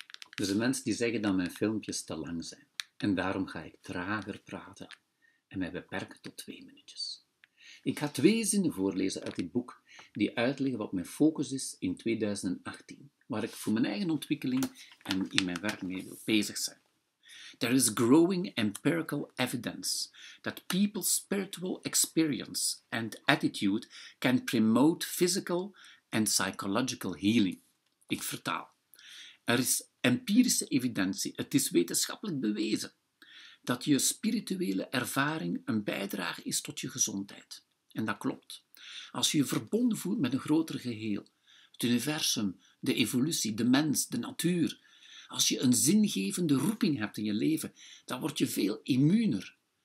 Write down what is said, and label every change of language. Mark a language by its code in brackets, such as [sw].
[nl] Er zijn mensen die zeggen dat mijn filmpjes te lang zijn. En daarom ga ik trager praten en mij beperken tot 2 minuutjes. Ik ga 2 zinnen voorlezen uit dit boek die uitleggen wat mijn focus is in 2018, waar ik voor mijn eigen ontwikkeling en in mijn werk mee wil bezig zijn. [en] There is growing empirical evidence that people's spiritual experience and attitude can promote physical and psychological healing. [nl] Ik vertaal. Er is empirische evidentie, het is wetenschappelijk bewezen, dat je spirituele ervaring een bijdrage is tot je gezondheid. En dat klopt. Als je je verbonden voelt met een groter geheel, het universum, de evolutie, de mens, de natuur, als je een zingevende roeping hebt in je leven, dan word je veel immuuner.